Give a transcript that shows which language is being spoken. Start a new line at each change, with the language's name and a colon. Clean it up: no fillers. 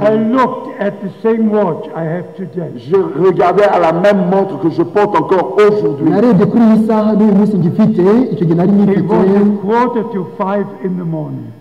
English: I looked at the same watch I have today.
French: Je regardais à la même montre que je porte encore aujourd'hui.
Kinyarwanda: Narebe kuri isaha n'uyu munsi ngifite.
English: It was a quarter to 5 in the morning.